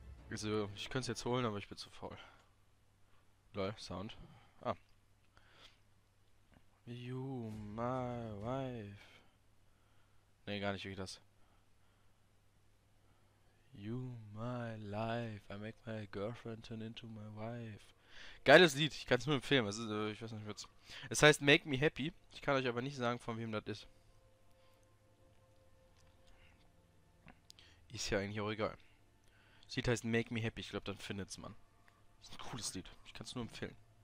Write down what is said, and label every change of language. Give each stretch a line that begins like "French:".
German: Ich könnte es jetzt holen, aber ich bin zu faul. Lol, Sound. Ah.
English: You, my wife.
German: Nee, gar nicht wirklich das.
English: You, my life. I make my girlfriend turn into my wife.
German: Geiles Lied, ich kann es nur empfehlen. Es ist, ich weiß nicht, was. Es heißt Make Me Happy. Ich kann euch aber nicht sagen, von wem das ist. Ist ja eigentlich auch egal. Das Lied heißt Make Me Happy. Ich glaube, dann findet's man. Ist ein cooles Lied. Ich kann es nur empfehlen.